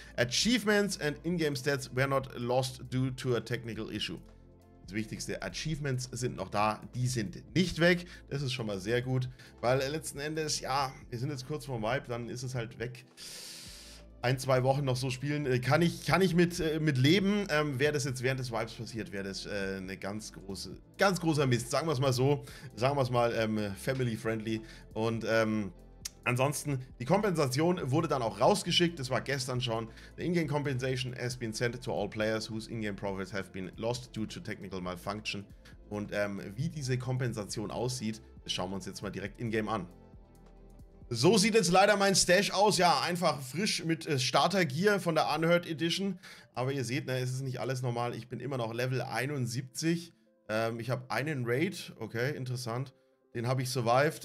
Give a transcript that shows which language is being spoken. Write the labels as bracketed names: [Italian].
[English] Achievements and in-game stats were not lost due to a technical issue. [German] Das Wichtigste, Achievements sind noch da, die sind nicht weg. Das ist schon mal sehr gut, weil letzten Endes, ja, wir sind jetzt kurz vorm Vibe, dann ist es halt weg. Ein, zwei Wochen noch so spielen, kann ich mit leben. Wäre das jetzt während des Vibes passiert, wäre das eine ganz großer Mist. Sagen wir es mal so, sagen wir es mal [English] family friendly. [German] Und ansonsten, die Kompensation wurde dann auch rausgeschickt. Das war gestern schon. [English] The in-game compensation has been sent to all players whose in-game profits have been lost due to technical malfunction. [German] Und wie diese Kompensation aussieht, das schauen wir uns jetzt mal direkt in-game an. So sieht jetzt leider mein Stash aus. Ja, einfach frisch mit Starter-Gear von der Unheard Edition. Aber ihr seht, ne, es ist nicht alles normal. Ich bin immer noch Level 71. Ich habe einen Raid. Okay, interessant. Den habe ich survived.